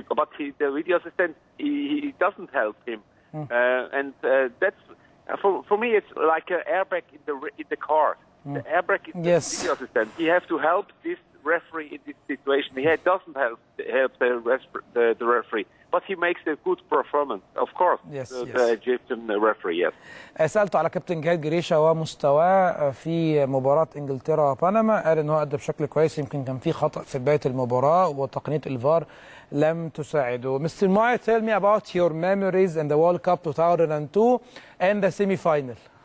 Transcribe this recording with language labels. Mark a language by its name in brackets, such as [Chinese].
[English] But the video assistant he doesn't help him, and that's. For me, it's like an airbag in the car. Mm. The airbag is yes. The video assistant. He has to help this referee in this situation. He doesn't help the referee, but he makes a good performance, of course. Yes, the Egyptian referee. Yes. [Arabic] سألته على كابتن جهاد جريشة ومستواه في مباراة إنجلترا وبنما. قال إنه أدى بشكل كويس. يمكن كان في خطأ في بداية المباراة وتقنية الفار لم تساعده. [English] Mr. Meyer, tell me about your memories in the World Cup 2002 and the semi-final.